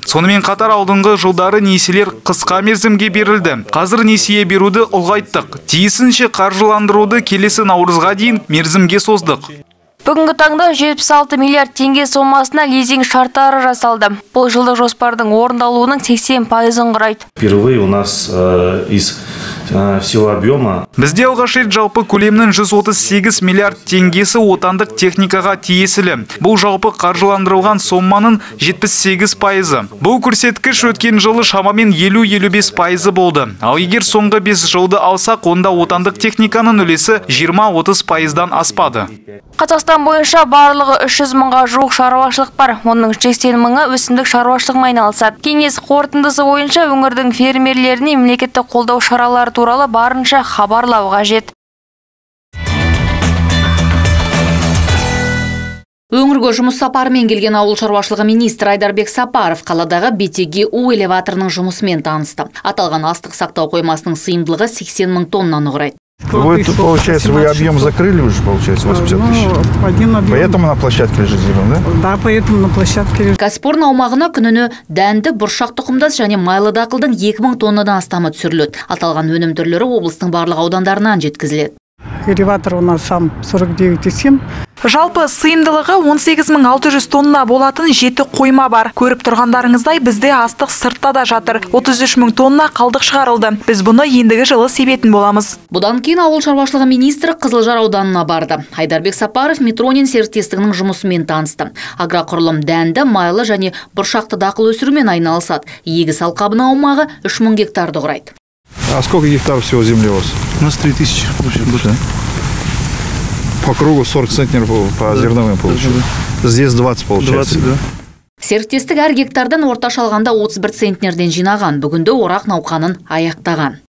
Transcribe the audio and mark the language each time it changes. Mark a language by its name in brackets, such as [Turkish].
[Kazakh] Сонымен қатар алдыңғы жылдары несиелер қысқа мерзімге берілді. Қазір несие беруді ұлғайттық. Тиісінше қаржыландыруды келесі наурызға дейін мерзімге создық. Бүгінгі таңда 76 миллиард тенге сомасына лизинг шарттары жасалды. Бұл жылдық жоспардың орындалуының 80% құрайды. [Russian] Впервые у нас из всего объема. [Kazakh] Бізде алғаш рет жалпы көлемнің 138 миллиард тенгесі отандық техникаға тиесілі. Бұл жалпы қаржыландырылған сомманың 78%. Бұл көрсеткіш өткен жылы шамамен 50-55% болды. Ал егер соңғы 5 жылды алсақ, онда отандық техниканың үлесі 20-30% аспады. Қазақстан бойынша барлығы 300 мыңға жуық шаруашылық бар. Оның 80 мыңы өсімдік шаруашылығымен айналысады. Кеңес қорытындысы бойынша өңірдің фермерлеріне мемлекеттік қолдау шаралары туралы барынша хабарлау қажет. Өңірге жұмыс сапарымен келген ауыл шаруашылығы министр Айдарбек Сапаров қаладағы Бетеге У элеваторының жұмысымен танысты. Аталған астық сақтау қоймасының сыйымдылығы 80 мың тоннаны құрайды. [Russian] Вы, получается, вы объем закрыли уже, получается, 80 тысяч? Ну, один объем. Поэтому на площадке лежит зерно, да? Да, поэтому на площадке лежит. [Kazakh] Кәсіпорын аумағына күніні дәнді, бұршақ тұқымдас және майлы дақылдың 2000 тоннадан астамы түсірілет. Аталған өнім түрлері облыстың барлық ауданларынан жеткізілет. [Russian] Элеватор у нас сам 49,7. [Kazakh] Жалпы сыйымдылығы 18600 тонна болатын 7 қойма бар. Көріп тұрғандарыңыздай, бізде астық сыртта да жатыр. 33 мың тонна қалдық шығарылды. Біз бұны ендігі жылы себетін боламыз. Бұдан кейін ауыл шаруашылығы министрі Қызылжар ауданына барды. Айдарбек Сапаров Метронин серіктестігінің жұмысымен танысты. Агроқұрылым дәнді, майлы және бұршақты дақыл өсірумен айналысады. Егіс алқабының аумағы 3 мың гектарды құрайды. [Russian] А сколько гектаров всего земли у вас? У нас 3000. По кругу 40 центнеров по зерновым получается. Здесь 20 получается. 20, да. [Kazakh] Серіктестік әр гектардан орташа алғанда 31 центнерден жинаған. Бүгінде орақ науқанын аяқтаған.